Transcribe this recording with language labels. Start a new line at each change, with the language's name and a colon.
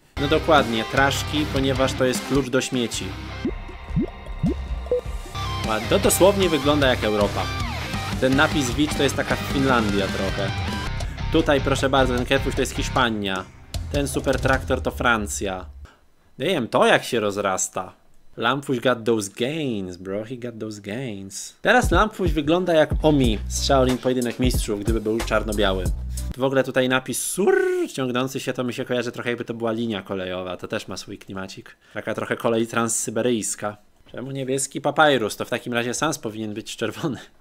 Polish: No dokładnie, Traszki, ponieważ to jest klucz do śmieci. To dosłownie wygląda jak Europa. Ten napis widz to jest taka Finlandia trochę. Tutaj proszę bardzo, ten kerfuś to jest Hiszpania. Ten super traktor to Francja. Nie wiem, to jak się rozrasta.
English: Lampfuś got those gains, bro, he got those gains.
Polish: Teraz Lampfuś wygląda jak Omi z Shaolin Pojedynek Mistrzów, gdyby był czarno-biały. W ogóle tutaj napis sur ciągnący się, to mi się kojarzy trochę jakby to była linia kolejowa. To też ma swój klimacik. Taka trochę kolej transsyberyjska. Czemu niebieski papyrus? To w takim razie sans powinien być czerwony.